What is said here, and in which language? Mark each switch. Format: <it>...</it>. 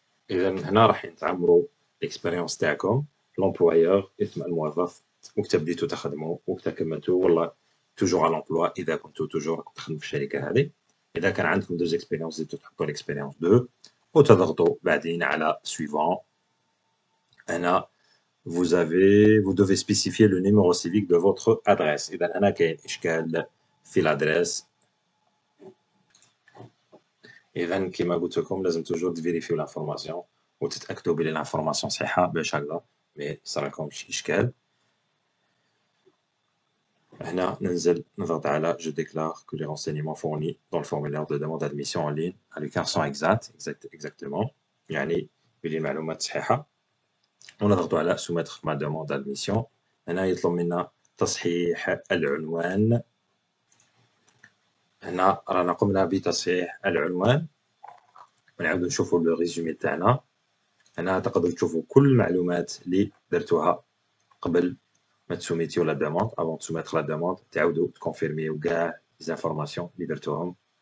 <ar>اذا هنا راح نتعمروا الاكسبيريونس تاعكم لومبلويور، اسم الموظف، وقت بديتوا تخدموا، وقت كملتوا، والله توجور على لومبلوا اذا كنتوا توجور تخدموا في الشركه هذه. اذا كان عندكم دوز اكسبيريونس زيدوا تحطوا الاكسبيريونس 2 وتضغطوا بعدين على سويفون.</ar> <fr>انا vous avez vous devez spécifier le numéro civique de votre adresse.</fr> <ar>اذا هنا كاين اشكال في الادريس. اذا كما قلت لكم لازم توجور تفيريفيو لافورماسيون وتتاكدوا بلي لافورماسيون صحيحه باش هكذا ما صراكم شي اشكال. هنا ننزل نضغط على</ar> <fr>je déclare que les renseignements fournis dans le formulaire de demande d'admission en ligne à l'UQAR sont exactement</fr> <ar>يعني بلي المعلومات صحيحه، ونضغط على سوميتر ما دوموند ادميسيون. هنا يطلب منا تصحيح العنوان، هنا رانا قمنا بتصحيح العنوان، ونعاود نشوفوا لو ريزومي تاعنا. هنا تقدروا تشوفوا كل المعلومات اللي درتوها قبل ما تسوميتيو لا دوموند، افون تسوميتر لا دوموند تعاودوا تكونفيرميو كاع الانفورماسيون اللي درتوهم.</ar>